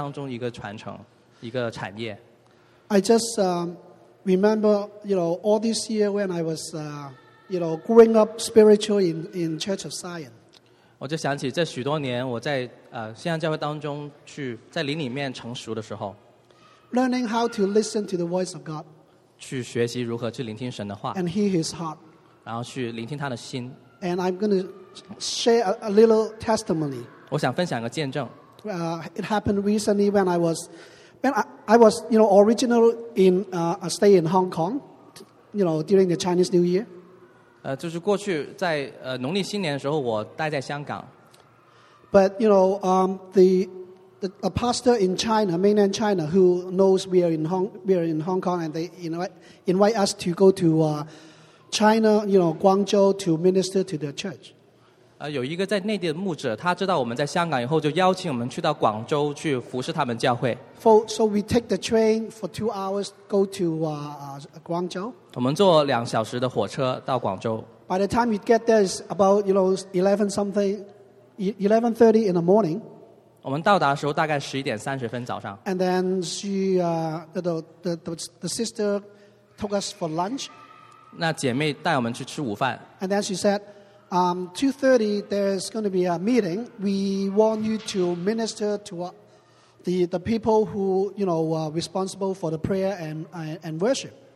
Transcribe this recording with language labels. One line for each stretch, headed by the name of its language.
Chinese: 我又再次看见，这就是我们西安当中一个传承，一个产业。
English: I just remember, you know, all this year when I was, you know, growing up spiritually in Church of Zion.
Chinese: 我就想起这许多年我在西安教会当中去在灵里面成熟的时候。
English: Learning how to listen to the voice of God.
Chinese: 去学习如何去聆听神的话。
English: And hear His heart.
Chinese: 然后去聆听他的心。
English: And I'm going to share a little testimony.
Chinese: 我想分享一个见证。
English: It happened recently when I was, originally stay in Hong Kong, you know, during the Chinese New Year.
Chinese: 就是过去在农历新年的时候，我待在香港。
English: But you know, a pastor in China, mainland China, who knows we are in Hong Kong, and they invite us to go to China, you know, Guangzhou to minister to the church.
Chinese: 有一个在内地的牧者，他知道我们在香港以后，就邀请我们去到广州去服侍他们教会。
English: So we take the train for 2 hours, go to Guangzhou.
Chinese: 我们坐2小时的火车到广州。
English: By the time we get there, it's about you know 11:30 in the morning.
Chinese: 我们到达的时候大概11:30早上。
English: And then she the sister took us for lunch. 那姐妹带我们去吃午饭。 And then she said, 2:30, there's going to be a meeting. We want you to minister to the people who, you know, are responsible for the prayer and worship.